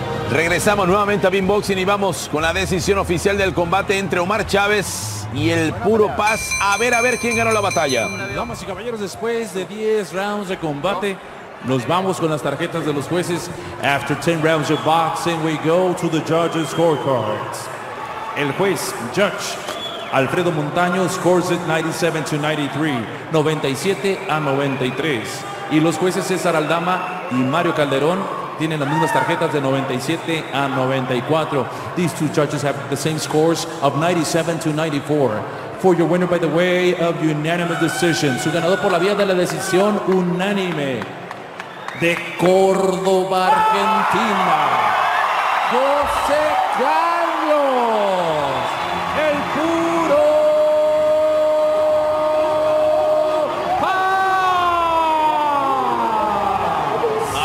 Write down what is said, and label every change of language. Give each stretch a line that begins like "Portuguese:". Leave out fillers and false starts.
Spanish: Regresamos nuevamente a Beamboxing y vamos con la decisión oficial del combate entre Omar Chávez y el Puro Paz. A ver quién ganó la batalla. Damas y caballeros, después de 10 rounds de combate, nos vamos con las tarjetas de los jueces.
English: After 10 rounds of boxing, we go to the judges' scorecards.
Spanish: El juez,
English: Judge Alfredo Montaño, scores it 97-93, 97-93.
Spanish: Y los jueces César Aldama y Mario Calderón tienen las mismas tarjetas de 97-94.
English: These two judges have the same scores of 97-94. For your winner by the way of unanimous decision.
Spanish: Su ganador por la vía de la decisión unánime. De Córdoba, Argentina. José Carlos. El puro Paz.